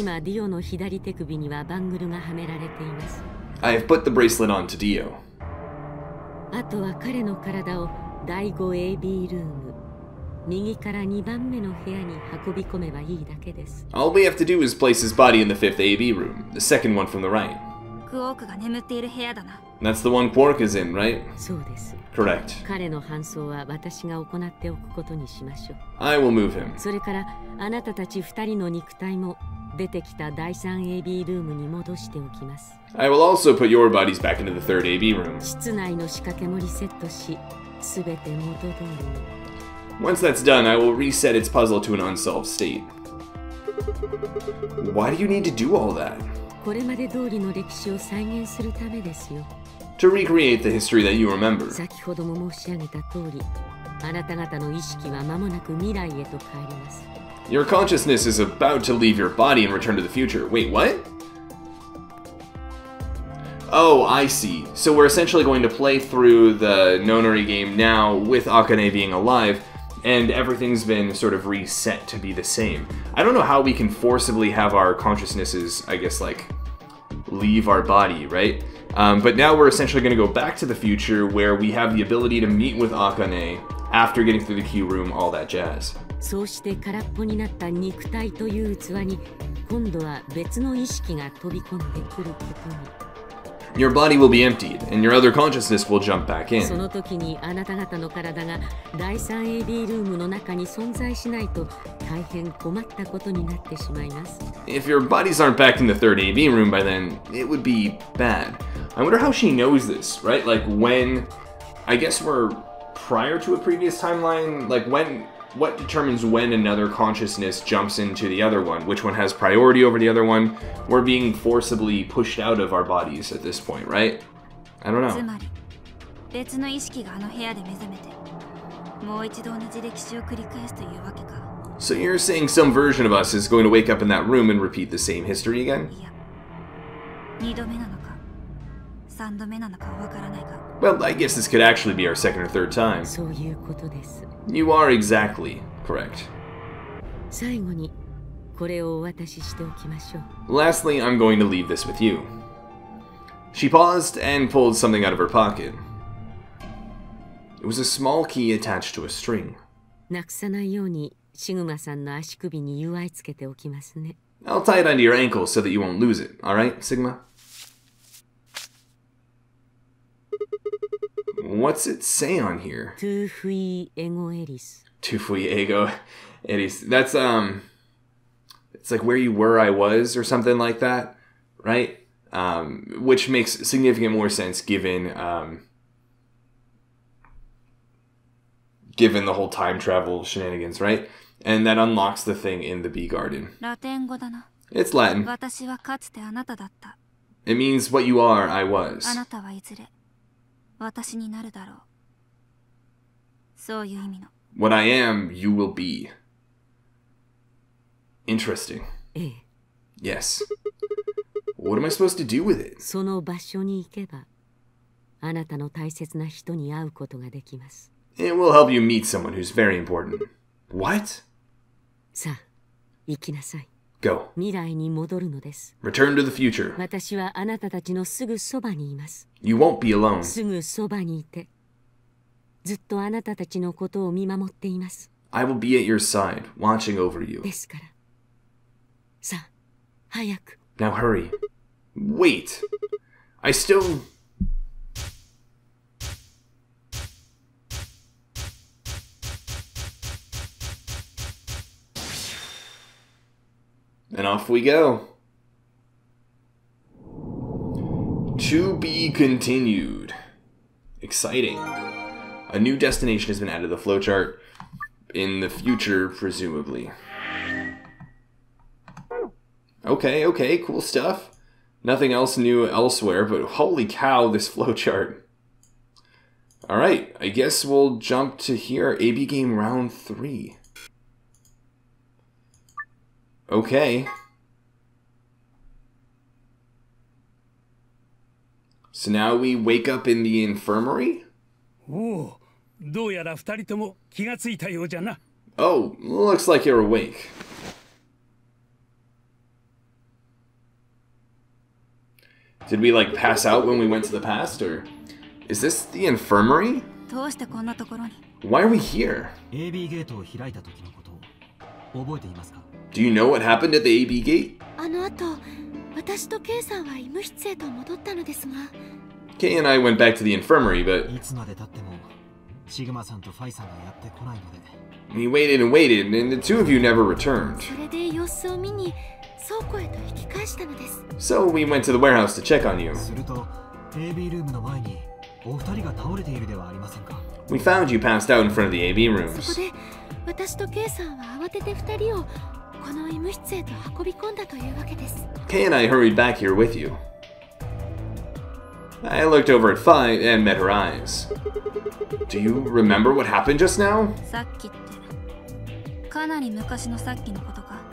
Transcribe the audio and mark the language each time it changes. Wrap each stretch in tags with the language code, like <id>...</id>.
<ja>今、ディオの左手首にはバングルがはめられています。</ja> <en>I have put the bracelet on to Dio.</en> <ja>あとは彼の体を第 5AB ルーム、右から2番目の部屋に運び込めばいいだけです。</ja> <en>All we have to do is place his body in the 5th AB room, the second one from the right.</en> <ja>クォークが眠っている部屋だな。</ja> <en>That's the one Quark is in, right?</en> <ja>そうです。</ja> <en>Correct.</en> <ja>彼の搬送は私が行っておくことにしましょう。</ja> <en>I will move him.</en> <ja>それからあなたたち二人の肉体も出てきた第三 AB ルームに戻しておきます。</ja> <en>I will also put your bodies back into the third AB room.</en> <ja>室内の仕掛けもリセットし、すべて元通りに。</ja> <en>Once that's done, I will reset its puzzle to an unsolved state. Why do you need to do all that?</en> <ja>これまで通りの歴史を再現するためですよ。</ja> <en>To recreate the history that you remember.</en> <ja>先ほども申し上げた通り、あなた方の意識は間もなく未来へと帰ります。</ja> <en>Your consciousness is about to leave your body and return to the future. Wait, what? Oh, I see. So we're essentially going to play through the Nonori game now with Akane being alive, and everything's been sort of reset to be the same. I don't know how we can forcibly have our consciousnesses, I guess, like, leave our body, right? But now we're essentially going to go back to the future where we have the ability to meet with Akane after getting through the Q room, all that jazz.</en> <ja>そうして空っぽになった肉体という器に今度は別の意識が飛び込んでくることに。</ja> <en>Your body will be emptied, and your other consciousness will jump back in.</en> <ja>その時にあなた方の体が第三 AD ルームの中に存在しないと大変困ったことになってしまいます。</ja> <en>If your bodies aren't back in the third AD room by then, it would be bad. I wonder how she knows this, right? Like when, I guess we're prior to a previous timeline, like when... What determines when another consciousness jumps into the other one? Which one has priority over the other one? We're being forcibly pushed out of our bodies at this point, right? I don't know.</en> <ja>つまり、別の意識があの部屋で目覚めて、もう一度同じ歴史を繰り返すというわけか。</ja> <en>So you're saying some version of us is going to wake up in that room and repeat the same history again?</en> <ja>いや、二度目なのか、三度目なのかわからないか。</ja> <en>Well, I guess this could actually be our second or third time.</en> <ja>そういうことです。</ja> <en>You are exactly correct.</en> <ja>最後にこれをお渡ししておきましょう。</ja> <en>Lastly, I'm going to leave this with you. She paused and pulled something out of her pocket. It was a small key attached to a string.</en> <ja>なくさないようにシグマさんの足首に UI つけておきますね。</ja> <en>I'll tie it onto your ankle so that you won't lose it, all right, Sigma? What's it say on here?</en> <la>Tu fui ego eris. Tu fui ego eris.</la> <en>That's, it's like where you were, I was, or something like that, right? Which makes significant more sense given the whole time travel shenanigans, right? And that unlocks the thing in the bee garden.</en> <ja>Latin語だな.</ja> <en>It's Latin.</en> <ja>私はかつてあなただった.</ja> <en>It means what you are, I was.</en> <ja>あなたはいずれ。私になるだろう。そういう意味の。</ja> <en>What I am, you will be. Interesting.</en> <ja>ええ。</ja> <en>Yes. What am I supposed to do with it?</en> <ja>その場所に行けば、あなたの大切な人に会うことができます。</ja> <en>It will help you meet someone who's very important. What?</en> <ja>さあ、行きなさい。</ja> <en>Go.</en> <ja>未来に戻るのです。</ja> <en>Return to the future.</en> <ja>私はあなたたちのすぐそばにいます。</ja> <en>You won't be alone.</en> <ja>すぐそばにいて、ずっとあなたたちのことを見守っています。</ja> <en>I will be at your side, watching over you.</en> <ja>ですから。さあ、早く。</ja> <en>Now hurry. Wait. I still... And off we go. To be continued. Exciting. A new destination has been added to the flowchart. In the future, presumably. Okay, okay, cool stuff. Nothing else new elsewhere, but holy cow, this flowchart. Alright, I guess we'll jump to here. AB game round 3. Okay. So now we wake up in the infirmary?</en> <ja>Oh, どうやら二人とも気がついたようじゃな。</ja> <en>Oh, looks like you're awake. Did we like pass out when we went to the past, or is this the infirmary?</en> <ja>どうしてこんなところに?</ja> <en>Why are we here?</en> <ja>AB ゲートを開いた時のことを覚えていますか?</ja> <en>Do you know what happened at the AB gate?</en> <ja>あの後…私とケイさんは医務室へと戻ったのですが、</ja> <en>ケイ and I went back to the infirmary, but</en> <ja>いつまで経ってもシグマさんとファイさんがやってこないので、</ja> <en>we waited and waited, and the two of you never returned.</en> <ja>それで様子を見に倉庫へと引き返したのです。</ja> <en>So we went to the warehouse to check on you.</en> <ja>すると、AB ルームの前にお二人が倒れているではありませんか。</ja> <en>We found you passed out in front of the AB rooms.</en> <ja>そこで私とケイさんは慌てて二人をこの医務室へと運び込んだというわけです。</ja> <en>Kay and I hurried back here with you. I looked over at Fi and met her eyes. Do you remember what happened just now?</en> <ja>さっきって、かなり昔のさっきのことか。</ja>